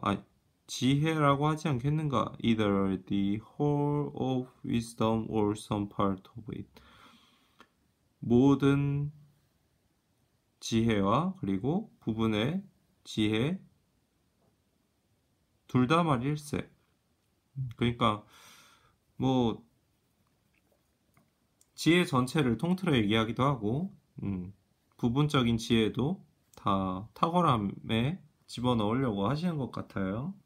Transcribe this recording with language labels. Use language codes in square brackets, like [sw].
[ko] 아, 지혜라고 하지 않겠는가? [en] Either the whole of wisdom or some part of it. [ko] 모든 지혜와 그리고 부분의 지혜 둘다 말일세. 그러니까 뭐 지혜 전체를 통틀어 얘기하기도 하고, 부분적인 지혜도 다 탁월함에 집어넣으려고 하시는 것 같아요.